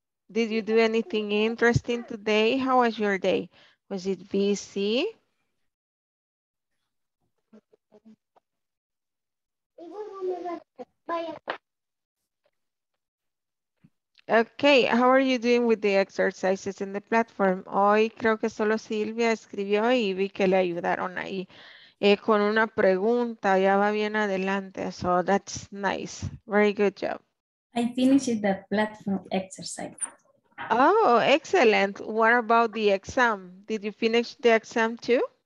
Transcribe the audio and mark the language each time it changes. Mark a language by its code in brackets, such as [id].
[en] Did you do anything interesting today? How was your day? Was it busy? Okay, how are you doing with the exercises in the platform? [es] Hoy creo que solo Silvia escribió y vi que le ayudaron ahí con una pregunta. Ya va bien adelante. [en] So that's nice. Very good job. I finished that platform exercise. Oh, excellent. What about the exam? Did you finish the exam too?